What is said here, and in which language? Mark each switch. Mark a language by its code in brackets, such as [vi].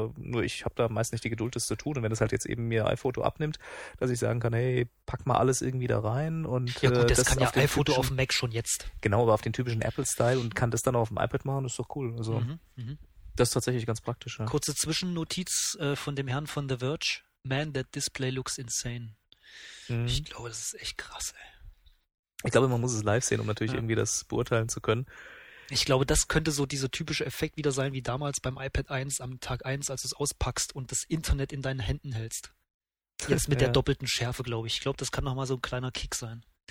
[de] Nur ich habe da meist nicht die Geduld, das zu tun. Und wenn das halt jetzt eben mir iPhoto abnimmt, dass ich sagen kann, hey, pack mal alles irgendwie da rein. Und, ja gut, das kann ja iPhoto typischen, auf dem Mac schon jetzt. Genau, aber auf den typischen Apple-Style und kann das dann auch auf dem iPad machen, ist doch cool. Also das ist tatsächlich ganz praktisch. Ja. Kurze Zwischennotiz von dem Herrn von The Verge. [en] Man, that display looks insane. [de] Ich glaube, das ist echt krass, ey. Ich glaube, man muss es live sehen, um natürlich irgendwie das beurteilen zu können. Ich glaube, das könnte so dieser typische Effekt wieder sein, wie damals beim iPad 1 am Tag 1, als du es auspackst und das Internet in deinen Händen hältst. Jetzt mit der doppelten Schärfe, glaube ich. Ich glaube, das kann nochmal so ein kleiner Kick sein.